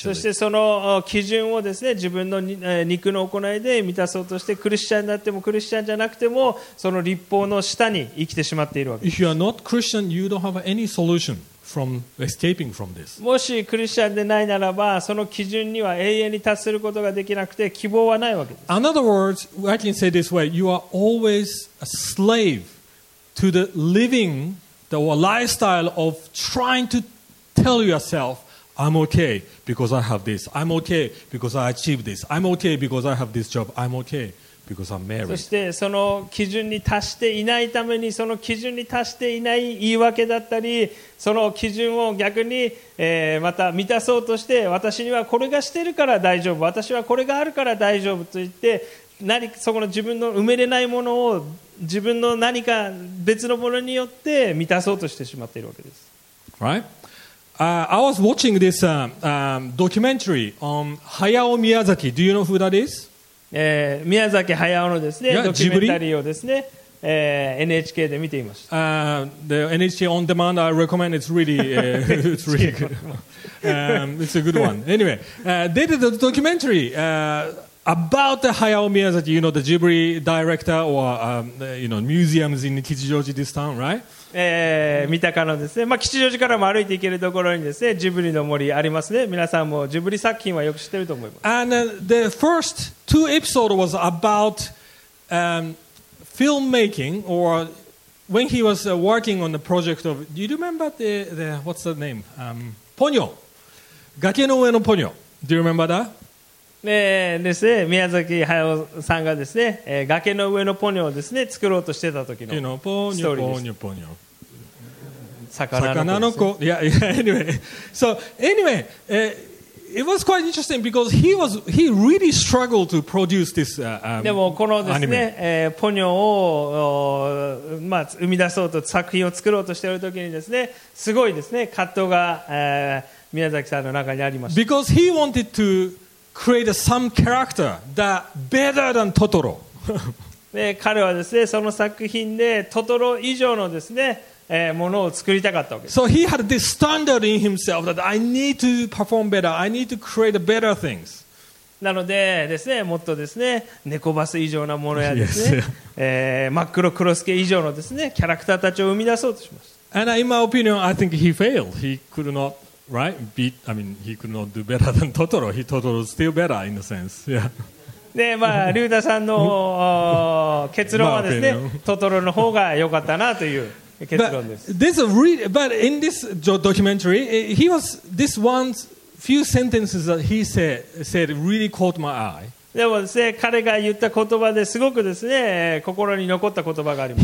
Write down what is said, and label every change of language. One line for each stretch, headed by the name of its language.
Japanese: そしてその基準をですね、自分の肉の行いで満たそうとして、クリスチャンになってもクリスチャンじゃなくても、その律法の下に生きてしまっているわけです。
English: If you are not Christian, you don't have any solution. From escaping from this.
Japanese: もしクリスチャンでないならば、その基準には永遠に達することができなくて、希望はないわけです。
English: In other words, I can say this way: you are always a slave to the living, the lifestyle of trying to tell yourself, "I'm okay because I have this. I'm okay because I achieved this. I'm okay because I have this job. I'm okay. Because I'm married.
Japanese: そしてその基準に達していないためにその基準に達していない言い訳だったりその基準を逆に、また満たそうとして私にはこれがしてるから大丈夫私はこれがあるから大丈夫と言って何そこの自分の埋めれないものを自分の何か別のものによって満たそうとしてしまっているわけです
English: Right? I was watching this documentary on Hayao Miyazaki Do you know who that is?
Japanese: 宮崎駿のですね、yeah, ドキュメンタリーをですね、NHK で見ていました。
English: The NHK on demand, I recommend it's really, it's really good. It's a good one. Anyway, they did a documentary about the Hayao Miyazaki, you know, the Ghibli director or, you know, museums in 吉祥寺 this town, right?
Japanese: 三鷹のですね、まあ、吉祥寺からも歩いて行けるところにですね、ジブリの森ありますね。皆さんもジブリ作品はよく知ってると思います。
English: And the first two episodes was about filmmaking or when he was working on the project of. Do you remember the what's the name? Ponyo. 崖の上のポニョ。Do you remember that?
Japanese: ですね、宮崎駿さんがですね、崖の上のポニョをですね、作ろうとしてた時のストーリーです。
English: You know, ポニョ、ポニョ、ポニョ。
Japanese: 魚の子。
English: Anyway, so anyway, it was quite interesting because he really struggled to produce this
Japanese: でもこのですね、ポニョを、まあ、生み出そうと作品を作ろうとしている時にですね、すごいですね、葛藤が、宮崎さんの中にありました。
English: Because he wanted toCreate some character that better than Totoro.
Japanese: で、彼はですね、その作品でトトロ以上のですね、ものを作りたかったわけです。
English: So he had this standard in himself that I need to perform better. I need to create better things.
Japanese: なのでですね、もっとですね、猫バス以上なものやですね、真っ黒クロスケ以上のですね、キャラクターたちを生み出そうとします。
English: And in my opinion, I think he failed. He could not, right? Beat, I mean, he could not do better than Totoro. He Totoro is still better in a sense. Yeah.
Japanese: で、まあ、リュウタさんの結論はですね、トトロの方が良かったなという。
English: But in this documentary, he was this one few sentences that he said really caught my eye.
Japanese: でもですね、彼が言った言葉ですごくですね、心に残った言葉があります。